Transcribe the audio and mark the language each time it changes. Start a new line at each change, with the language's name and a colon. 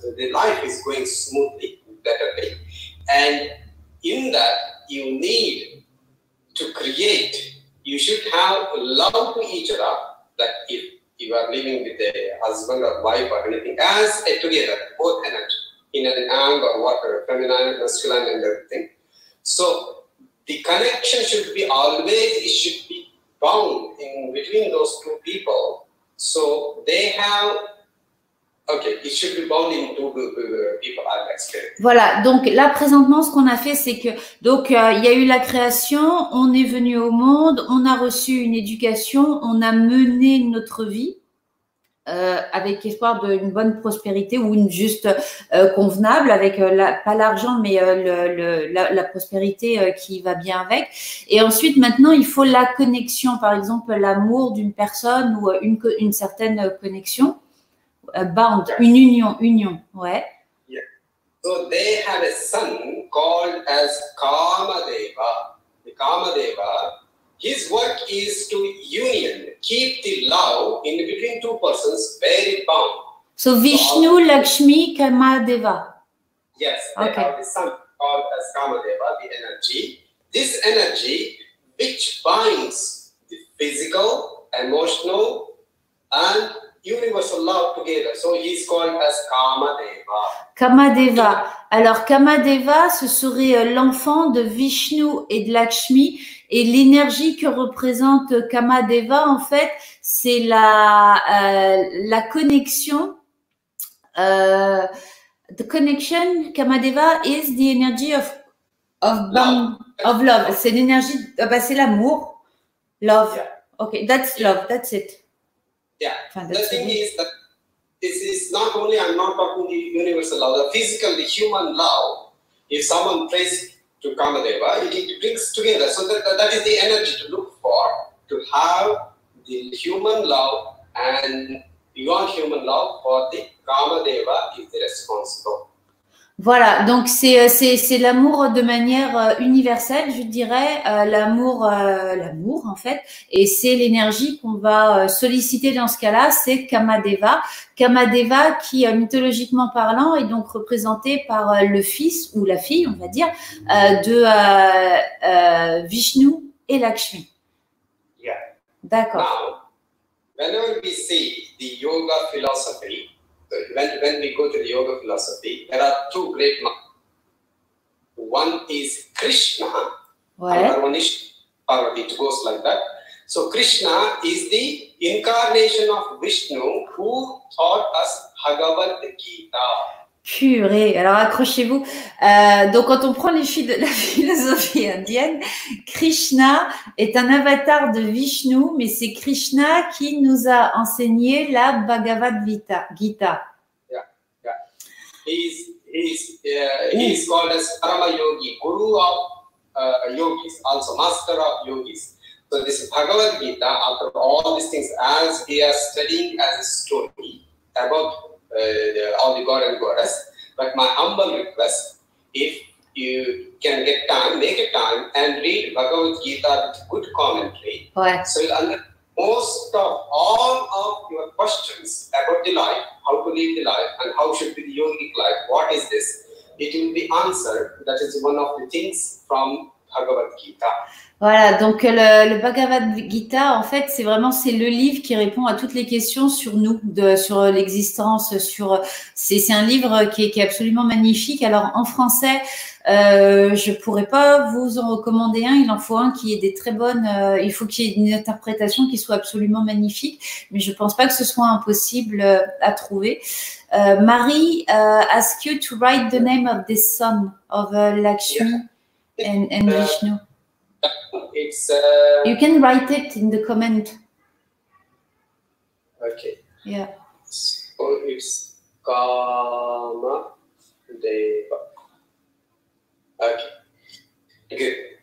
English: The life is going smoothly, better way. And in that, you need to create, you should have love to each other, that if you are living with a husband or wife or anything, as a together, both energy, in an angle, or water, feminine, masculine, and everything. So, the connection should be always, it should be bound in between those two people. So they have, okay, it should be bound in two people. I'll explain.
French: Voilà, donc là présentement, ce qu'on a fait, c'est que, donc il y a eu la création, on est venu au monde, on a reçu une éducation, on a mené notre vie. avec espoir d'une bonne prospérité ou une juste convenable, avec pas l'argent, mais la prospérité qui va bien avec. Et ensuite, maintenant, il faut la connexion, par exemple, l'amour d'une personne ou une certaine connexion, bond, yeah. Une union, ouais.
English: Yeah. So they have a son called as Kamadeva. The Kamadeva. His work is to union, keep the love in between two persons very bound. So Vishnu, Lakshmi, Kama Deva. Yes, they okay. Have the sun called as Kama Deva, the energy. This energy which binds the physical, emotional and universal love together. So he is called as Kama Deva. Kama Deva.
French: Alors Kama Deva, ce serait l'enfant de Vishnu et de Lakshmi. Et l'énergie que représente Kamadeva, en fait, c'est la connexion.
English: The connection, Kamadeva, is the energy of love.
French: C'est l'énergie, c'est l'amour.
English: Love. Yeah. Okay, that's love, that's it. Yeah, enfin, that's the thing it. Is that this is not only, I'm not talking the universal love, the physical, the human love, if someone plays to Kamadeva, it brings together. So that is the energy to look for, to have the human love and beyond human love for the Kamadeva is the responsible.
French: Voilà, donc c'est l'amour de manière universelle, je dirais, l'amour en fait, et c'est l'énergie qu'on va solliciter dans ce cas-là, c'est Kamadeva. Kamadeva qui, mythologiquement parlant, est donc représentée par le fils ou la fille, on va dire, de Vishnu et Lakshmi.
English: Yeah.
French: D'accord.
English: Now, whenever we see the yoga philosophy, When we go to the yoga philosophy, there are two great masters. One is Krishna, another one is Parvati. It goes like that. So Krishna is the incarnation of Vishnu who taught us Bhagavad Gita.
French: Purée, alors accrochez-vous. Donc, quand on prend les filles de la philosophie indienne, Krishna est un avatar de Vishnu, mais c'est Krishna qui nous a enseigné la Bhagavad Gita.
English: Yeah, yeah. He is called as Parama Yogi, Guru of Yogis, also Master of Yogis. So, this Bhagavad Gita, after all these things, as we are studying as a story about all the God and Goddess. But my humble request, if you can get time, make a time and read Bhagavad Gita with good commentary. Right. So you'll understand most of all of your questions about the life, how to live the life and how should be the yogic life, what is this? It will be answered. That is one of the things from Bhagavad Gita.
French: Voilà, donc le Bhagavad Gita, en fait, c'est le livre qui répond à toutes les questions sur nous, sur l'existence, c'est un livre qui est absolument magnifique. Alors en français, je pourrais pas vous en recommander un. Il en faut un qui ait des très bonnes. Il faut qu'il y ait une interprétation qui soit absolument magnifique, mais je pense pas que ce soit impossible à trouver.
English: Marie, ask you to write the name of this son of Lakshmi and Vishnu. It's you can write it in the comment. Okay. Yeah. So it's Kama Deva. Okay. Good.